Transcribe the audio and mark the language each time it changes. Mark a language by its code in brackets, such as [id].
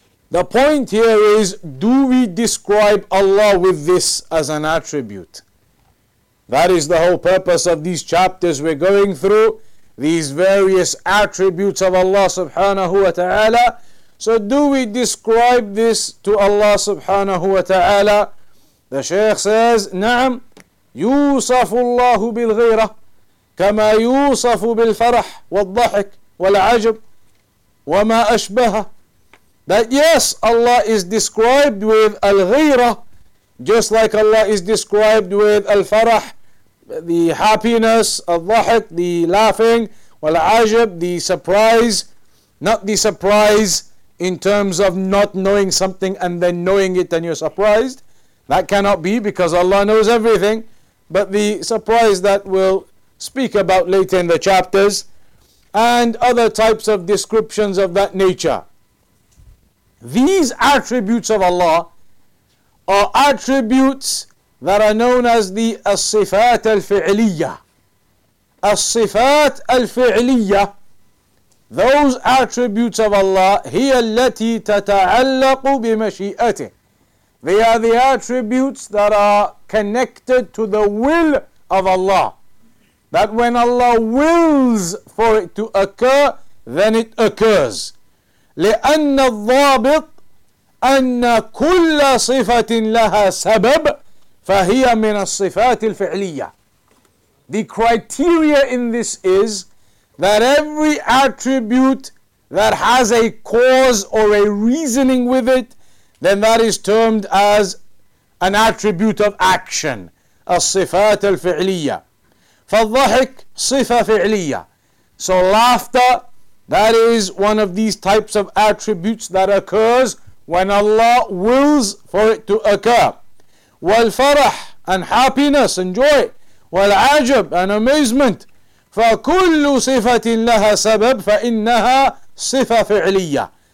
[en] The point here is, do we describe Allah with this as an attribute? That is the whole purpose of these chapters we're going through, these various attributes of Allah subhanahu wa ta'ala. So do we describe this to Allah subhanahu wa ta'ala? [ar] The Shaykh says, نعم يوصف الله بالغيرة كما يوصف بالفرح والضحك والعجب وما أشبهه. [en] That yes, Allah is described with al-ghira, just like Allah is described with al-farah, the happiness, al-dhahik, the laughing, wal-ajab, the surprise, not the surprise in terms of not knowing something and then knowing it and you're surprised. That cannot be because Allah knows everything. But the surprise that we'll speak about later in the chapters and other types of descriptions of that nature. These attributes of Allah are attributes that are known as the as-sifat al-fi'liyyah. As-sifat al-fi'liyyah, those attributes of Allah, [ar] هي التي تتعلق بمشيئته. [en] They are the attributes that are connected to the will of Allah. That when Allah wills for it to occur, then it occurs. [ar] لأن الضابط أن كل صفة لها سبب فهي من الصفات الفعلية. [en] The criteria in this is that every attribute that has a cause or a reasoning with it, then that is termed as an attribute of action. [ar] الصفات الفعلية. فالضحك صفة فعلية. [en] So laughter That is one of these types of attributes that occurs when Allah wills for it to occur. وَالْفَرَحْ and happiness and joy. وَالْعَجَبْ and amazement. [ar] فَكُلُّ صِفَةٍ لَهَا سَبَبْ فَإِنَّهَا صِفَةٌ فِعْلِيَّةٌ.